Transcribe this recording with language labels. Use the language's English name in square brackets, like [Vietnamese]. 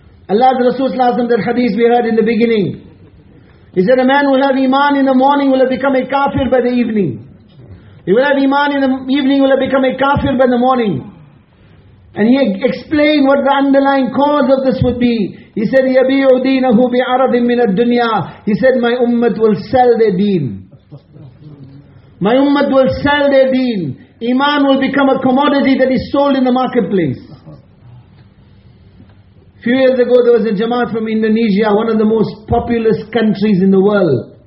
[English] Allah's Rasul, that hadith we heard in the beginning, he said, a man will have iman in the morning, will have become a kafir by the evening. He will have iman in the evening, will have become a kafir by the morning. And he explained what the underlying cause of this would be. He said, [Arabic] يَبِيعُ دِينَهُ بِعَرَضٍ مِنَ الدُّنْيَا. [English] He said, my ummah will sell their deen. My ummah will sell their deen. Iman will become a commodity that is sold in the marketplace. A few years ago, there was a jamaat from Indonesia, one of the most populous countries in the world.